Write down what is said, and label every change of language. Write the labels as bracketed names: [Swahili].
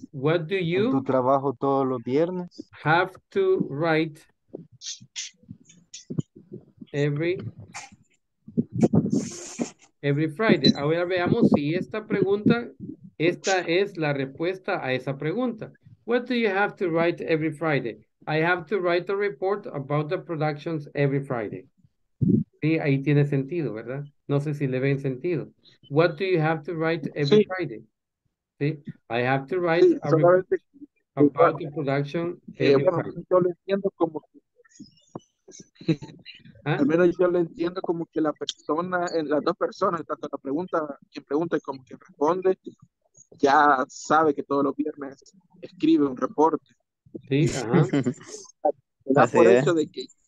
[English] What do you [Spanish] tu trabajo todos los viernes? [English] Have to write every Friday. [Spanish] Ahora veamos si esta pregunta, esta es la respuesta a esa pregunta. [English] What do you have to write every Friday? I have to write a report about the productions every Friday. [Spanish] Sí, ahí tiene sentido, ¿verdad? No sé si le ven sentido. [English] What do you have to write every Friday? Sí, I have to write about the production every Friday. [Spanish] Yo lo entiendo como que... Al menos yo lo entiendo como que la persona, las dos personas, tanto la pregunta, quien pregunta y como quien responde, ya sabe que todos los viernes escribe un reporte. Sí, ajá. Así por es. Eso de que...